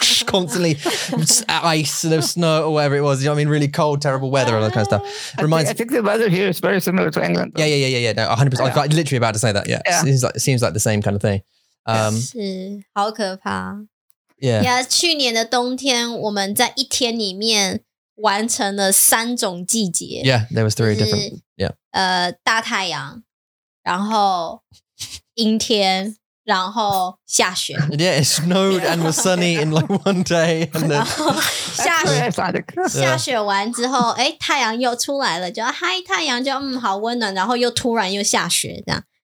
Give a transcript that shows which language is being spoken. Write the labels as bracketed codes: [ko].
[en] constantly ice, there's snow or whatever it was. You know what I mean? Really cold, terrible weather, all that kind of stuff. I think the weather here is very similar to England. Though. Yeah. No, 100%. Yeah. I'm literally about to say that. Yeah. It seems like the same kind of thing. [zh] 是，好可怕。 [en] Yeah. [zh] Yeah, 去年的冬天我们在一天里面完成了三种季节。 [en] Yeah, there was three different. Yeah. [zh] 大太阳，然后阴天，然后下雪。 [en] Yeah, it snowed and was sunny in like one day. And then [zh] 下雪完之后，哎，太阳又出来了，就 Hi 太阳，就好温暖，然后又突然又下雪这样。